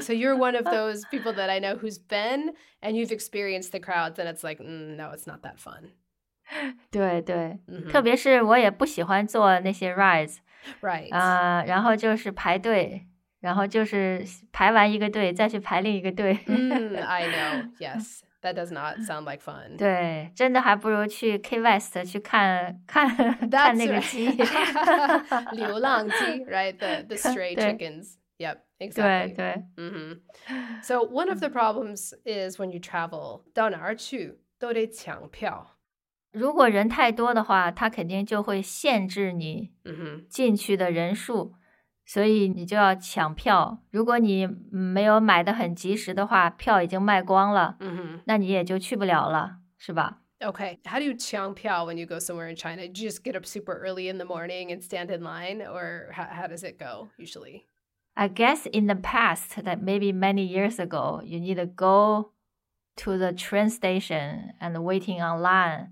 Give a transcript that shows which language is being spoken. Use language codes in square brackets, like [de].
[en] So you're one of those people that I know who's been and you've experienced the crowds and it's like, no, it's not that fun. [zh] 对对、mm-hmm. 特别是我也不喜欢坐那些 rides [en] Right、 [zh] 然后就是排队然后就是排完一个队再去排另一个队、 [en] I know, yes, that does not sound like fun [zh] 对真的还不如去 Key West 去看看、 [en] That's、 [zh] 看那个鸡、 [en] right. 流浪鸡 right, the stray chickens Yep, exactly [zh] 对对、 mm-hmm. [en] So one of the problems is when you travel [zh] 到哪儿去都得抢票如果人太多的话他肯定就会限制你进去的人数、 mm-hmm. 所以你就要抢票如果你没有买得很及时的话票已经卖光了、 mm-hmm. 那你也就去不了了是吧 [en] Okay, how do you 抢票 when you go somewhere in China? Do you just get up super early in the morning and stand in line? Or how does it go usually? I guess in the past, that maybe many years ago, you need to goto the train station and waiting on line.